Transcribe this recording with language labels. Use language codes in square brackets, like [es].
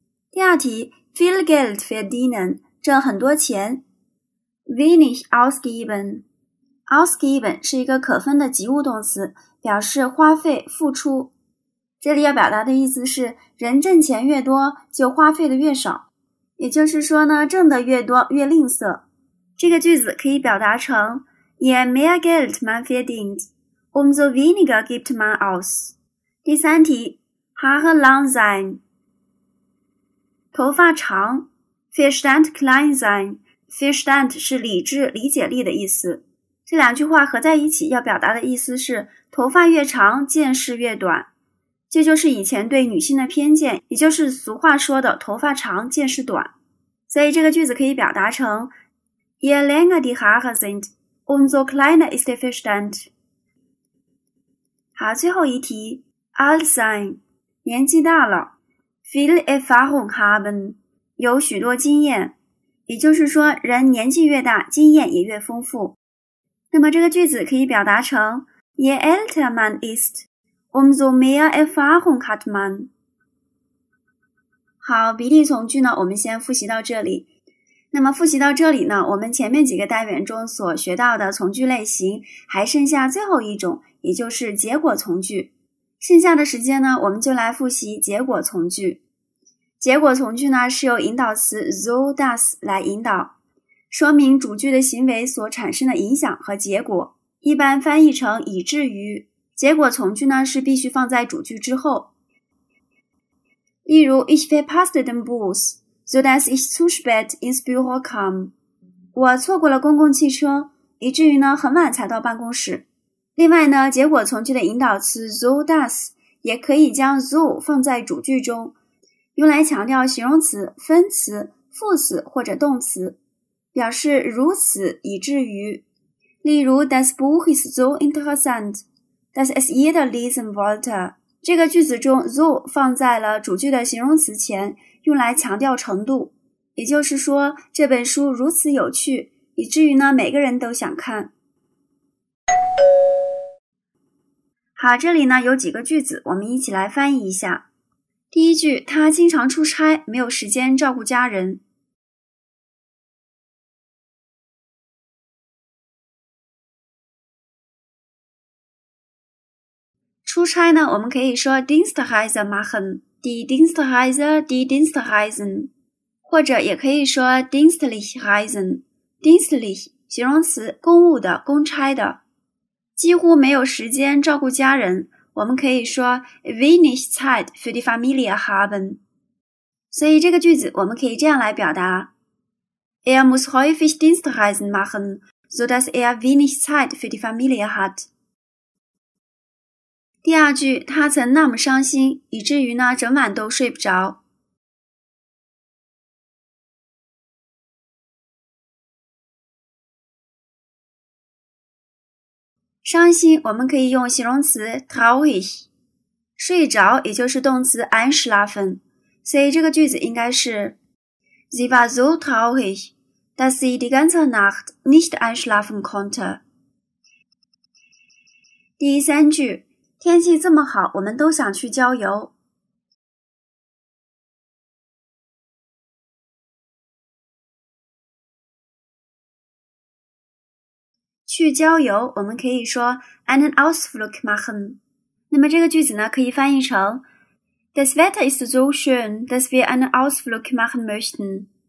[zh] 第二题 [de] viel Geld verdienen [zh] 挣很多钱 [de] wenig ausgeben， [zh] ausgeben 是一个可分的及物动词，表示花费付出，这里要表达的意思是人挣钱越多就花费的越少，也就是说呢挣得越多越吝啬。这个句子可以表达成 [de] je mehr Geld man verdient umso weniger gibt man aus。 [zh] 第三题 [de] haare lang sein [zh] 头发长 [de] Verstand klein sein， [zh] Verstand 是理智理解力的意思，这两句话合在一起要表达的意思是头发越长见识越短，这就是以前对女性的偏见，也就是俗话说的头发长见识短。所以这个句子可以表达成 [de] Je länger die Haare sind, umso kleiner ist der Verstand。 [zh] 好，最后一题 [de] Alt sein [zh] 年纪大了 [de] Viel Erfahrung haben [zh] 有许多经验，也就是说人年纪越大经验也越丰富。那么这个句子可以表达成 [de] Je älter man ist umso mehr Erfahrung hat man。 [zh] 好，比例从句呢我们先复习到这里。那么复习到这里呢，我们前面几个单元中所学到的从句类型还剩下最后一种，也就是结果从句。剩下的时间呢我们就来复习结果从句。结果从句呢是由引导词 so das 来引导，说明主句的行为所产生的影响和结果，一般翻译成以至于。结果从句呢是必须放在主句之后。例如 [de] Ich verpasste den Bus, so dass ich zu spät ins Büro kam。 [zh] 我错过了公共汽车，以至于呢很晚才到办公室。另外呢，结果从句的引导词 so das 也可以将 so 放在主句中，用来强调形容词、分词、副词或者动词，表示如此以至于。例如 [de] Das Buch ist so interessant,Das ist jeder lesen wollte。 [zh] 这个句子中 so 放在了主句的形容词前，用来强调程度，也就是说这本书如此有趣，以至于呢每个人都想看。好，这里呢有几个句子，我们一起来翻译一下。第一句，他经常出差，没有时间照顾家人。出差呢，我们可以说 [de] Dienstreise machen, die Dienstreise, die Dienstreisen, [zh] 或者也可以说 [de] Dienstlich reisen, [zh] Dienstlich, 形容词，公务的，公差的。几乎没有时间照顾家人，我们可以说 [de] wenig Zeit für die Familie haben。 [zh] 所以这个句子我们可以这样来表达 [de] ：Er muss häufig Dienstreisen machen, so dass er wenig Zeit für die Familie hat。 [zh] 第二句，他曾那么伤心，以至于呢整晚都睡不着。伤心，我们可以用形容词 traurig， 睡着也就是动词 einschlafen， 所以这个句子应该是 [de] Sie war so traurig, dass sie die ganze Nacht nicht einschlafen konnte。 [zh] 第三句，天气这么好，我们都想去郊游。去郊游，我们可以说 [de] einen Ausflug machen。 [zh] 那么这个句子呢，可以翻译成 [de] Das Wetter ist so schön, dass wir einen Ausflug machen möchten。